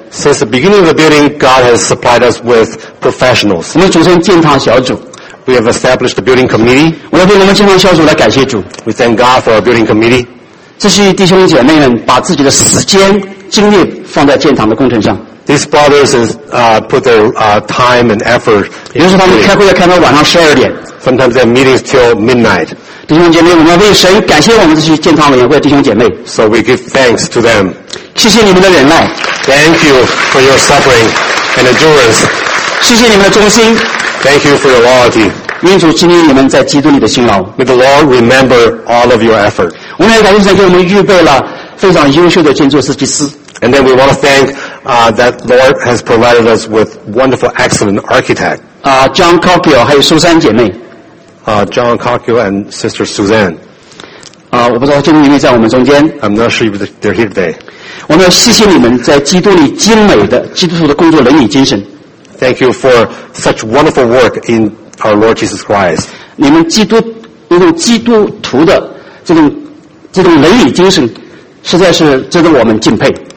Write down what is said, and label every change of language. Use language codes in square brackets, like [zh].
[en] Since the beginning of the building, God has supplied us with professionals. [zh] 我们组成建堂小组。 [en] We have established the building committee. [zh] 我要对我们建堂小组来感谢主。 [en] We thank God for our building committee. [zh] 这些弟兄姐妹们把自己的时间精力放在建堂的工程上。 [en] These brothers put their time and effort. [zh] 有时他们开会要开到晚上十二点。 [en] Sometimes they have meetings till midnight. [zh] 弟兄姐妹，我们为神感谢我们这些建堂委员会弟兄姐妹。 [en] So we give thanks to them. [zh] 谢谢你们的忍耐。 [en] Thank you for your suffering and endurance. [zh] 谢谢你们的忠心。 [en] Thank you for your loyalty. [zh] 愿主纪念你们在基督里的辛劳。 [en] May the Lord remember all of your effort. [zh] 我们也感谢神给我们预备了非常优秀的建筑设计师。 [en] And then we want to thank that Lord has provided us with wonderful, excellent architect. [zh] John Cockio 还有苏珊姐妹。 [en] John Cockio and Sister Suzanne. [zh] 我不知道今天你们在我们中间。 [en] I'm not sure if they're here today. [zh] 我们要谢谢你们在基督里精美的基督徒的工作伦理精神。 [en] thank you for such wonderful work in our Lord Jesus Christ. [zh] 你们基督那种基督徒的这种能力精神，实在是值得我们敬佩。